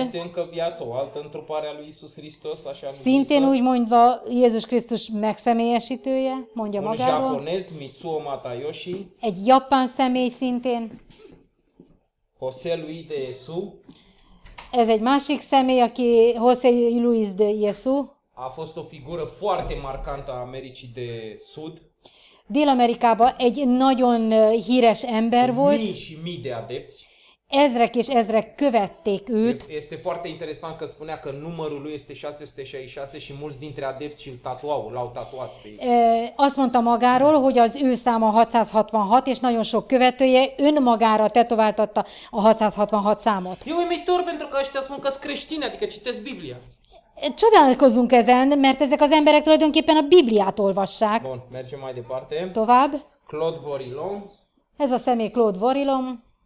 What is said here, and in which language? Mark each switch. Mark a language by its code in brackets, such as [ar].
[ro] Este încă viață, o altă întrupare a lui Iisus Hristos, așa [hu] szintén úgy mondva Jézus Krisztus megszemélyesítője, mondja [ro] un [hu] magáról. [ro] Japonez, Mitsuo Matayoshi. [hu] Egy japán személy szintén. José Luis de Jesu. Ez egy másik személy, aki José Luis de Jesu. [ro] A fost o figură foarte markantă a Americii de Sud. [hu] Dél-Amerikában egy nagyon híres ember volt. [ro] Mii și mii de adepți. [hu] Ezrek és ezrek követték őt. [ro] Este foarte interesant că spunea că numărul lui este 666 și mulți dintre adepți și l-au tatuat pe ei. [hu] Azt mondta magáról, hogy az ő száma 666, és nagyon sok követője önmagára tetováltatta a 666 számot. Jó, hogy mit tudom, [ro] pentru că ăștia spun că-s creștini, adică citesc Biblia. [hu] Csodálkozunk ezen, mert ezek az emberek tulajdonképpen a Bibliát olvassák. [ro] Bon, mergem mai departe. [hu] Tovább. Claude Vorilon. Ez a személy Claude Vorilon.